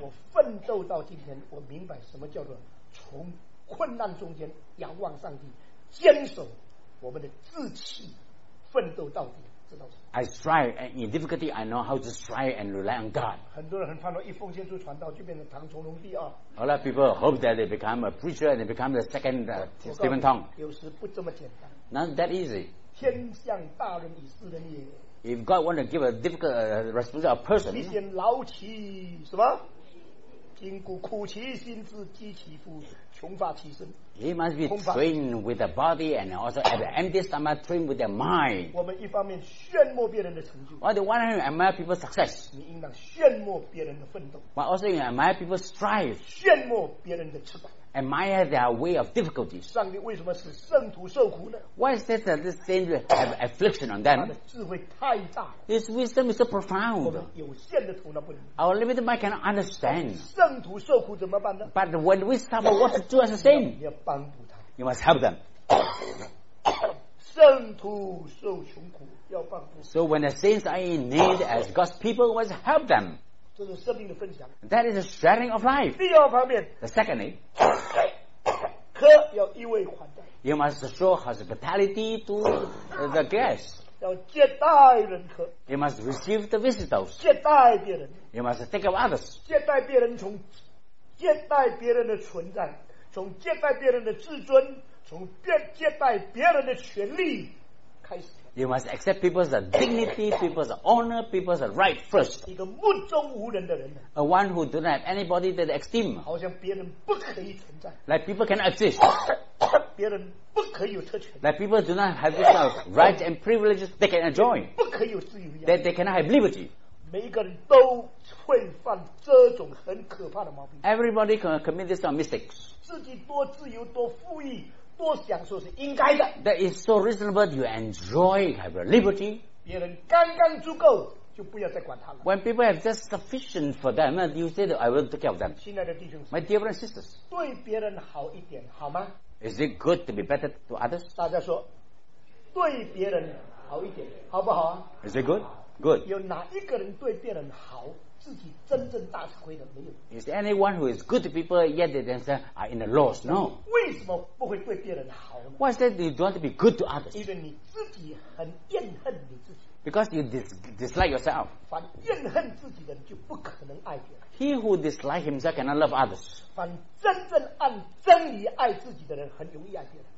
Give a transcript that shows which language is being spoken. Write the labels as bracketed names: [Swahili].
[Chinese] 我奋斗到今天，我明白什么叫做从困难中间仰望上帝，坚守我们的志气，奋斗到底，知道吗？ [English] I strive and in difficulty, I know how to strive and rely on God. [Chinese] 很多人很盼望一奉献出传道就变成唐崇荣第二。 [English] A lot of people hope that they become a preacher and they become the second Stephen Tong. [Chinese] 有时不这么简单。 [English] Not that easy. [Chinese] 天向大人以事人也。 [English] If God wants to give a difficult responsibility of a person, [Chinese] 你先劳其什么？筋骨苦其心志，饥其腹，穷乏其身。 [English] He must be trained with the body and also at the empty stomach trained with the mind. [Chinese] 我们一方面炫耀别人的成就。 [English] On the one hand, admire people's success. [Chinese] 你应当炫耀别人的奋斗。 [English] But also you admire people's strive. [Chinese] 炫耀别人的翅膀。 [English] Admire their way of difficulties. [Chinese] 上帝为什么使圣徒受苦呢？ [English] Why is that the same have affliction on them? [Chinese] 他的智慧太大。 [English] This wisdom is so profound. [Chinese] 我们有限的头脑不能。 [English] Our limited mind cannot understand. [Chinese] 圣徒受苦怎么办呢？ [English] But when we suffer, what to do as the same? [Chinese] 你要帮助他。 [English] You must help them. [Chinese] 圣徒受穷苦要帮助。 [English] So when the saints are in need as God's people, we must help them. [Chinese] 这是生命的分享。 [English] That is a sharing of life. [Chinese] 第二方面。 [English] The secondly, [Chinese] 客要一味款待。 [English] You must show hospitality to the guests. [Chinese] 要接待人客。 [English] You must receive the visitors. [Chinese] 接待别人。 [English] You must take care of others. [Chinese] 接待别人从接待别人的存在，从接待别人的自尊，从接待别人的权利开始。 [English] You must accept people's dignity, people's honor, people's right first. [Chinese] 一个目中无人的人。 [English] A one who do not have anybody that esteem. [Chinese] 好像别人不可以存在。 [English] Like people cannot exist. [Chinese] 别人不可有特权。 [English] Like people do not have this kind of rights and privileges they can enjoy. [Chinese] 不可有自由。 [English] That they cannot have liberty. [Chinese] 每一个人都会犯这种很可怕的毛病。 [English] Everybody can commit this kind of mistakes. [Chinese] 自己多自由多富裕。多享受是应该的。 [English] That is so reasonable. You enjoy have your liberty. [Chinese] 别人刚刚足够，就不要再管他了。 [English] When people have just sufficient for them, you say that I will take care of them. [Chinese] 亲爱的弟兄， [English] my dear brothers and sisters, [Chinese] 对别人好一点好吗？ [English] Is it good to be better to others? [Chinese] 大家说，对别人好一点，好不好啊？ [English] Is it good? Good. [Chinese] 有哪一个人对别人好，自己真正大吃亏的没有？ [English] Is there anyone who is good to people yet they themselves are in a loss? No. [Chinese] 为什么不会对别人好呢？ [English] Why is that you don't want to be good to others? [Chinese] 因为你自己很厌恨你自己。 [English] Because you dislike yourself. [Chinese] 反厌恨自己的人就不可能爱别人。 [English] He who dislikes himself cannot love others. [Chinese] 反真正按真理爱自己的人很容易爱别人。